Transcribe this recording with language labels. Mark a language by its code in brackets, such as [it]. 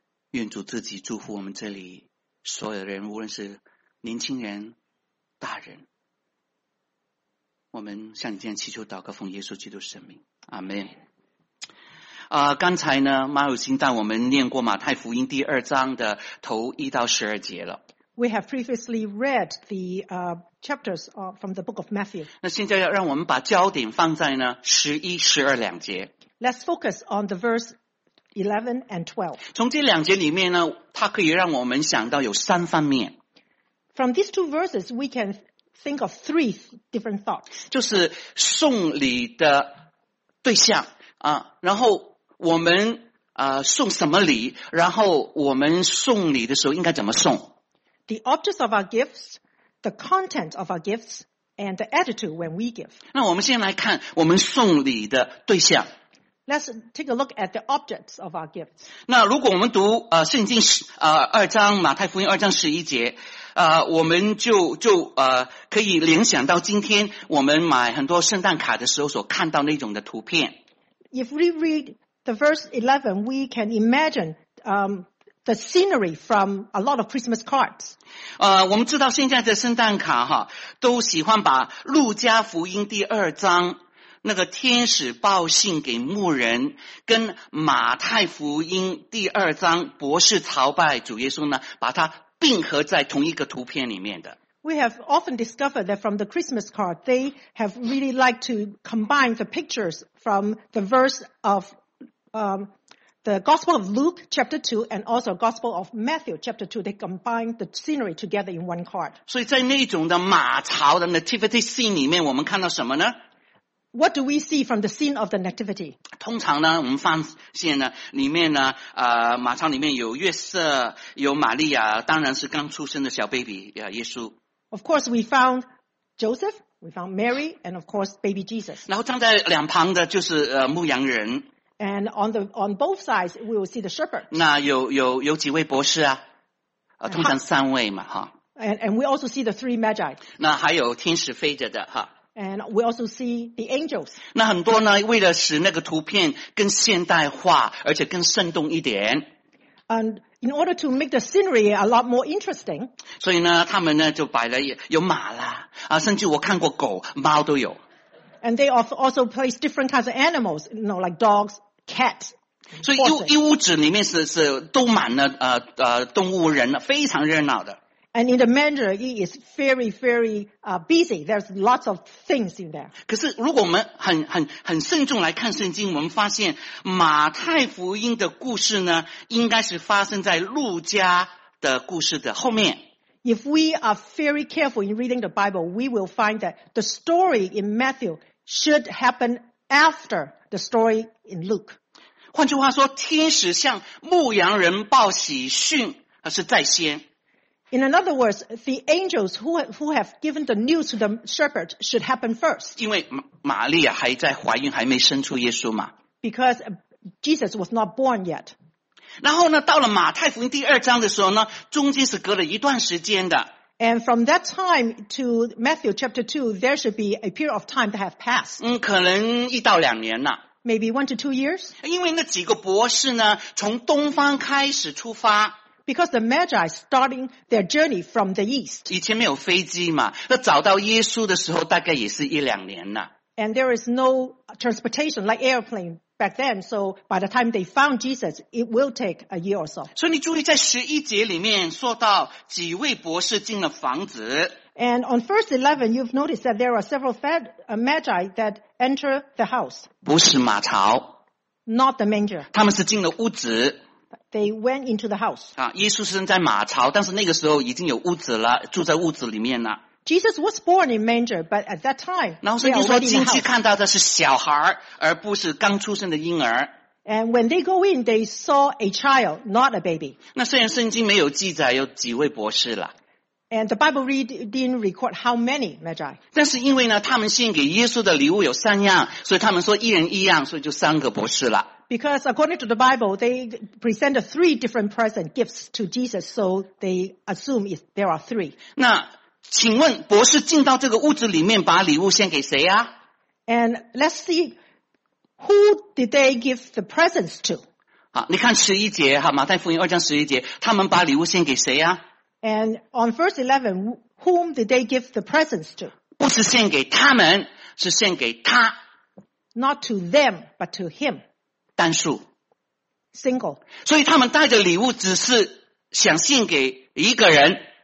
[zh] 愿主自己祝福我们这里所有的人，无论是年轻人大人，我们向你这样祈求祷告，奉耶稣基督圣名，阿们。刚才呢，马有心带我们念过马太福音第二章的头一到十二节了。 [en] We have previously read the chapters from the book of Matthew. [zh] 那现在要让我们把焦点放在呢十一、十二两节。 [en] Let's focus on the verse 11 and 12. [zh] 从这两节里面呢，它可以让我们想到有三方面。 [en] From these two verses, we can think of three different thoughts. [zh] 就是送礼的对象然后我们送什么礼，然后我们送礼的时候应该怎么送。 [en] The objects of our gifts, the content of our gifts, and the attitude when we give. [zh] 那我们先来看我们送礼的对象。 [en] Let's take a look at the objects of our gifts. [zh] 那如果我们读圣经二章马太福音二章十一节我们就可以联想到今天我们买很多圣诞卡的时候所看到那种的图片。 [en] If we read the verse 11, we can imagine, the scenery from a lot of Christmas cards. [zh] 我们知道现在的圣诞卡哈，都喜欢把路加福音第二章那个天使报信给牧人，跟马太福音第二章博士朝拜主耶稣呢，把它并合在同一个图片里面的。 [en] We have often discovered that from the Christmas card, they have really liked to combine the pictures from the verse of the Gospel of Luke chapter 2 and also Gospel of Matthew chapter 2. They combine the scenery together in one card. [zh] 所以在那种的马槽的 [en] nativity scene [zh] 里面，我们看到什么呢？ [en] What do we see from the scene of the nativity? [zh] 通常呢，我们发现呢，里面呢，马槽里面有约瑟，有玛利亚，当然是刚出生的小 baby 耶稣。 [en] Of course, we found Joseph, we found Mary, and of course, baby Jesus. [zh] 然后站在两旁的就是牧羊人。 [en] And on both sides, we will see the shepherd. [zh] 那有几位博士啊？通常三位嘛，哈。 [en] And we also see the three magi. [zh] 那还有天使飞着的哈。 [en] And we also see the angels. [zh] 那很多呢，为了使那个图片更现代化，而且更生动一点。 [en] And in order to make the scenery a lot more interesting. [zh] 所以呢，他们呢就摆了有马啦甚至我看过狗、猫都有。 [en] And they also place different kinds of animals, you know, like dogs, cats. [zh] 所以一屋子里面是都满了动物人了，非常热闹的。 [en] And in the manger, it is very, very busy. There's lots of things in there. [zh] 可是如果我们很慎重来看圣经，我们发现马太福音的故事呢，应该是发生在路加的故事的后面。 [en] If we are very careful in reading the Bible, we will find that the story in Matthew should happen after the story in Luke. [zh] 换句话说，天使向牧羊人报喜讯是在先。 [en] In other words, the angels who have given the news to the shepherd should happen first. [zh] 因为玛利亚还在怀孕，还没生出耶稣嘛。 [en] Because Jesus was not born yet. [zh] 然后呢，到了马太福音第二章的时候呢，中间是隔了一段时间的。 [en] And from that time to Matthew chapter 2, there should be a period of time that have passed. [zh] 可能一到两年了。 [en] Maybe 1 to 2 years. [zh] 因为那几个博士呢，从东方开始出发。 [en] Because the Magi starting their journey from the east. [zh] 以前没有飞机嘛，那找到耶稣的时候大概也是一两年了。 [en] And there is no transportation like airplane back then, so by the time they found Jesus, it will take a year or so. [zh] 所以你注意在十一节里面说到几位博士进了房子。 [en] And on verse 11, you've noticed that there are several magi that enter the house. [zh] 不是马槽。 [en] Not the manger. [zh] 他们是进了屋子。 [en] They went into the house. [zh] 啊，耶稣生在马槽，但是那个时候已经有屋子了，住在屋子里面了。 [en] Jesus was born in manger, but at that time, they are already in the house. [zh] 然后圣经说进去看到的是小孩，而不是刚出生的婴儿。 [en] And when they go in, they saw a child, not a baby. [zh] 那虽然圣经没有记载有几位博士了。 [en] And the Bible didn't record how many magi. [zh] 但是因为呢，他们献给耶稣的礼物有三样，所以他们说一人一样，所以就三个博士了。 [en] Because according to the Bible, they presented three different present gifts to Jesus, so they assume there are three. [zh] 那请问博士进到这个屋子里面，把礼物献给谁啊？ [en] And let's see who did they give the presents to. [zh] 好，你看十一节哈，马太福音二章十一节，他们把礼物献给谁啊？ [en] And on verse 11, whom did they give the presents to? [zh] 不是献给他们，是献给他。 [en] Not to them, but to him. [zh] 单数。 [en] Single. [zh] 所以他们带着礼物只是想献给一个人。